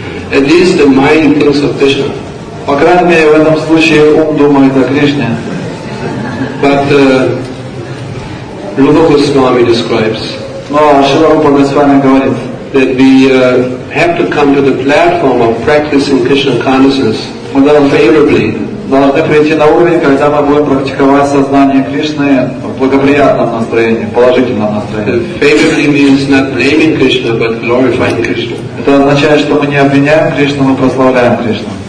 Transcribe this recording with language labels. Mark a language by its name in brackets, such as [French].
[English] At least the mind thinks of Krishna. [Russian] По крайней мере, в этом случае ум думает о Кришне. [English] But Rupa Goswami describes. [Russian] Но Шрила Рупа Госвами говорит, [English] that we have to come to the platform of practicing Krishna consciousness. [Russian] Мы должны прийти на уровень, когда мы будем практиковать сознание Кришны в благоприятном настроении, в положительном настроении. Это означает, что мы не обвиняем Кришну, мы прославляем Кришну.